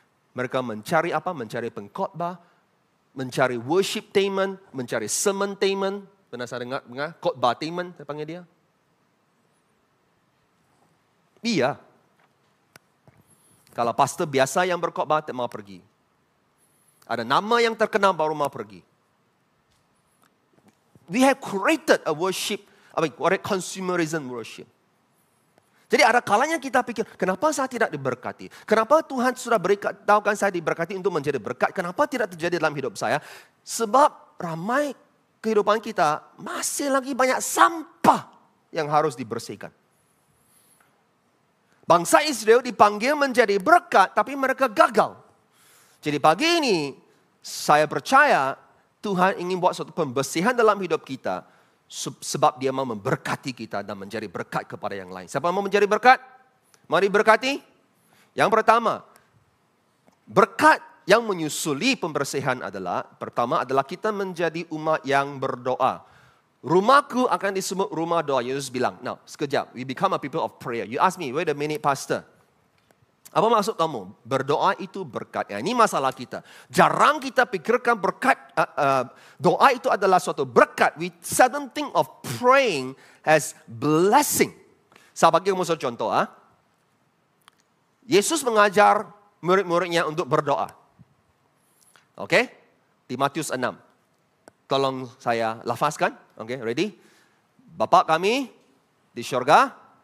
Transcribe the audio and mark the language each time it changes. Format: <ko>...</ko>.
<ms>Mereka mencari apa? Mencari pengkhotbah, mencari worship teman, mencari sermon teman. Pernah saya dengar? Khotbah teman, saya panggil dia. Iya. Kalau pastor biasa yang berkhotbah, tak mau pergi. Ada nama yang terkenal baru mau pergi.</ms> <en>We have created a worship, consumerism worship.</en> <ms>Jadi ada kalanya kita pikir, kenapa saya tidak diberkati? Kenapa Tuhan sudah beritahukan saya diberkati untuk menjadi berkat? Kenapa tidak terjadi dalam hidup saya? Sebab ramai kehidupan kita masih lagi banyak sampah yang harus dibersihkan. Bangsa Israel dipanggil menjadi berkat, tapi mereka gagal. Jadi pagi ini, saya percaya Tuhan ingin buat suatu pembersihan dalam hidup kita sebab dia mau memberkati kita dan menjadi berkat kepada yang lain. Siapa mau menjadi berkat? Mari berkati. Yang pertama, berkat yang menyusuli pembersihan adalah, pertama adalah kita menjadi umat yang berdoa. Rumahku akan disebut rumah doa, Yesus bilang.</ms> <en>Now,</en> <ms>sekejap,</ms> <en>we become a people of prayer. You ask me, wait a minute, pastor.</en> <ms>Apa maksud kamu? Berdoa itu berkat. Ya, ini masalah kita. Jarang kita pikirkan berkat, doa itu adalah suatu berkat.</ms> <en>We seldom think of praying as blessing.</en> <ms>Saya bagi kamu suatu contoh. Yesus mengajar murid-muridnya untuk berdoa. Okay? Di Matius 6. Tolong saya lafazkan.</ms> <en>Okay, ready?</en> <ms>Bapa kami di syurga.</ms>